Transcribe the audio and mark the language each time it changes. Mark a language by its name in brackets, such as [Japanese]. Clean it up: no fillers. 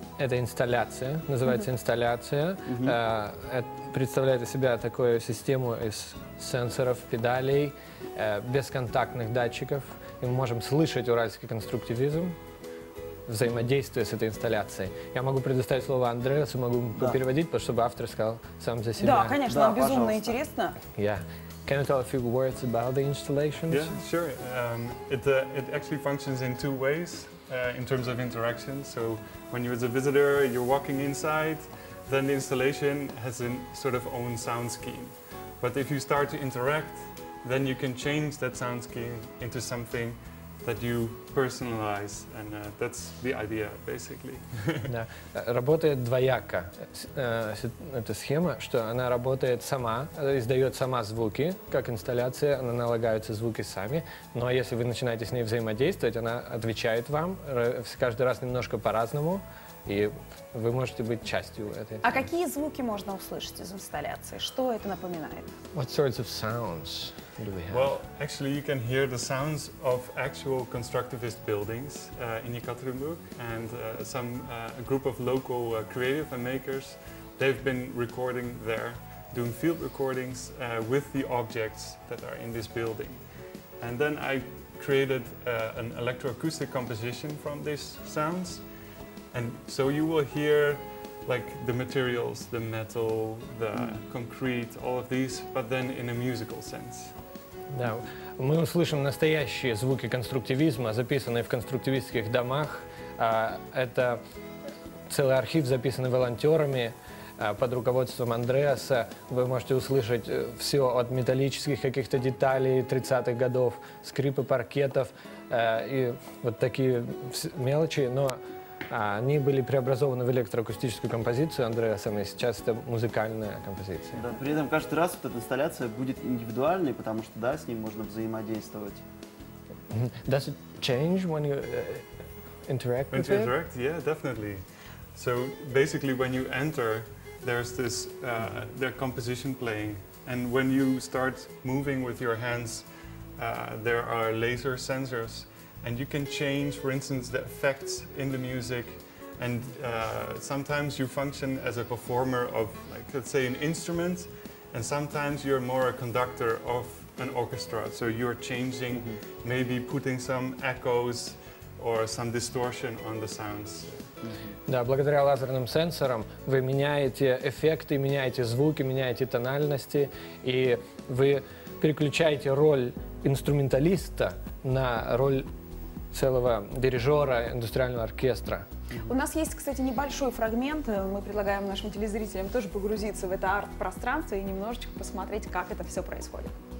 [Russian] Это инсталляция, называется инсталляция. Это представляет из себя такую систему из сенсоров, педалей, бесконтактных датчиков. И мы можем слышать уральский конструктивизм, взаимодействие с этой инсталляцией. Я могу предоставить слово Андреасу, могу переводить, чтобы автор сказал сам за себя. Да, конечно, нам безумно интересно. [English] Can you tell a few words about the installation? Yeah, sure. It actually functions in two ways. In terms of interaction, so when you as a visitor, you're walking inside, then the installation has a sort of own sound scheme. But if you start to interact, then you can change that sound scheme into something that you personalize, and that's the idea, basically. [Russian] Да, работает двояко эта схема, что она работает сама, издает сама звуки, как инсталляция, она налагаются звуки сами, но если вы начинаете с ней взаимодействовать, она отвечает вам каждый раз немножко по-разному, и вы можете быть частью этой. А какие звуки можно услышать из инсталляции? Что это напоминает? [English] What sorts of sounds? Well, actually, you can hear the sounds of actual constructivist buildings in Yekaterinburg, and a group of local creative and makers, they've been recording there, doing field recordings with the objects that are in this building. And then I created an electroacoustic composition from these sounds, and so you will hear like the materials, the metal, the concrete, all of these, but then in a musical sense. [Russian] Да, мы услышим настоящие звуки конструктивизма, записанные в конструктивистских домах. Это целый архив, записанный волонтерами под руководством Андреаса. Вы можете услышать все от металлических каких-то деталей 30-х годов, скрипы паркетов и вот такие мелочи. Но они были преобразованы в электроакустическую композицию Андреасом, и сейчас это музыкальная композиция. Да, при этом каждый раз вот эта инсталляция будет индивидуальной, потому что да, с ней можно взаимодействовать. [English] Does it change when you interact with it? When you interact, yeah, definitely. So basically, when you enter, there's this their composition playing, and when you start moving with your hands, there are laser sensors. And you can change, for instance, the effects in the music. And sometimes you function as a performer of, like, let's say, an instrument. And sometimes you're more a conductor of an orchestra. So you're changing, maybe putting some echoes or some distortion on the sounds. [Russian] Да, благодаря лазерным сенсорам вы меняете эффекты, меняете звуки, меняете тональности, и вы переключаете роль инструменталиста на роль целого дирижера индустриального оркестра. У нас есть, кстати, небольшой фрагмент. Мы предлагаем нашим телезрителям тоже погрузиться в это арт-пространство и немножечко посмотреть, как это все происходит.